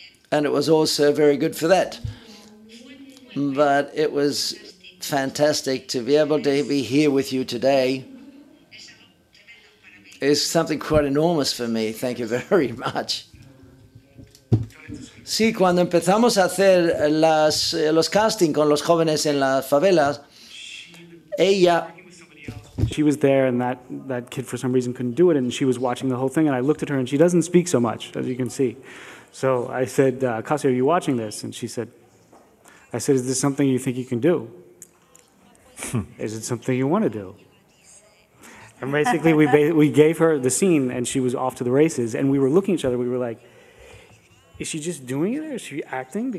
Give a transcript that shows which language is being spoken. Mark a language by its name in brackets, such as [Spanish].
[English] And it was also very good for that. But it was fantastic to be able to be here with you today. It's something quite enormous for me. Thank you very much. [Spanish] Sí, cuando empezamos a hacer los castings con los jóvenes en las favelas, ella... [English] She was there, and that kid for some reason couldn't do it, and she was watching the whole thing, and I looked at her, and she doesn't speak so much, as you can see. So I said, Kasia, are you watching this? And she said, I said, is this something you think you can do? Is it something you want to do? And basically, we gave her the scene, and she was off to the races, and we were looking at each other, we were like, is she just doing it, or is she acting?